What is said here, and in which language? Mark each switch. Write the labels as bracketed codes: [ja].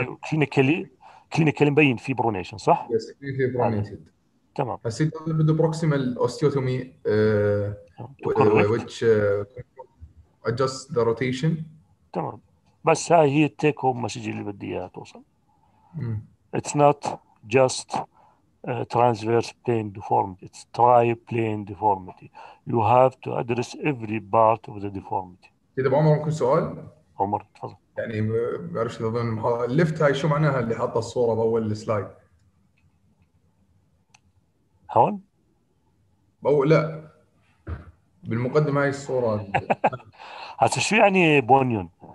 [ar] أيوه، كلينيكالي مبين في برونيشن، صح؟ يس، في برونيشن. تمام. بس إذا بده بروكسيمال أوستيوتومي [en] which adjust the rotation. [ar] تمام. بس هاي هي التيك هوم مسج اللي بدي إياها توصل. [en] It's not just transverse plane deformity. It's triplane deformity. You have to address every part of the deformity. [ar] إذا بعمر ممكن سؤال؟ عمر تفضل. يعني بعرفش إذا ضمن اللفت هاي شو معناها اللي حاطة الصورة بأول السلايد؟ هون؟ لا بالمقدمة هاي الصورة. هسه شو يعني بونيون؟